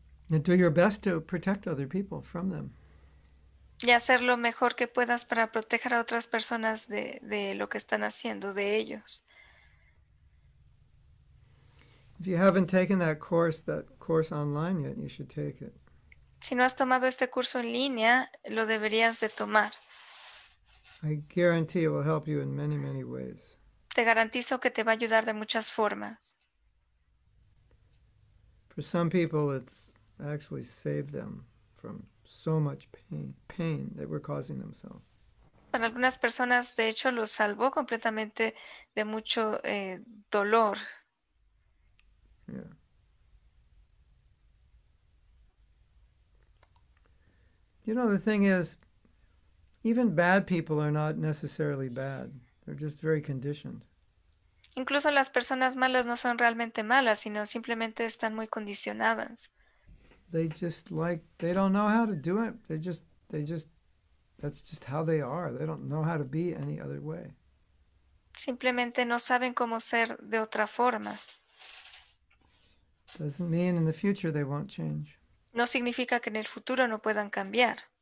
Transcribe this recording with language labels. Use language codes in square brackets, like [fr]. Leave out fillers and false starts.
[en] And do your best to protect other people from them. [es] Y hacer lo mejor que puedas para proteger a otras personas de lo que están haciendo, de ellos. [en] If you haven't taken that course online yet, you should take it. [es] Si no has tomado este curso en línea, lo deberías de tomar. [en] I guarantee it will help you in many, many ways. [es] Te garantizo que te va a ayudar de muchas formas. [en] For some people, it's actually saved them from so much pain that were causing themselves. [es] Para algunas personas, de hecho, lo salvó completamente de mucho dolor. [en] Yeah. You know, the thing is, even bad people are not necessarily bad. They're just very conditioned. [es] Incluso las personas malas no son realmente malas, sino simplemente están muy condicionadas. [en] They don't know how to do it. That's just how they are. They don't know how to be any other way. [es] Simplemente no saben cómo ser de otra forma. [en] Doesn't mean in the future they won't change. [es] No significa que en el futuro no puedan cambiar.